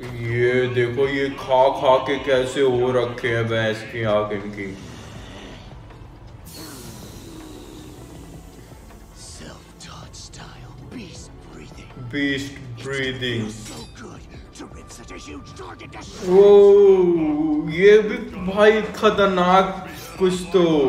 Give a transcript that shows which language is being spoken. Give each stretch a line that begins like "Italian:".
Hindi: ये देखो ये खा खा के कैसे हो रखे हैं भैंस की आंख इनकी।
English: Self taught style beast breathing. Beast breathing. So good to rip such a huge target to shreds.
Hindi: वो ये भी भाई खतरनाक कुछ तो।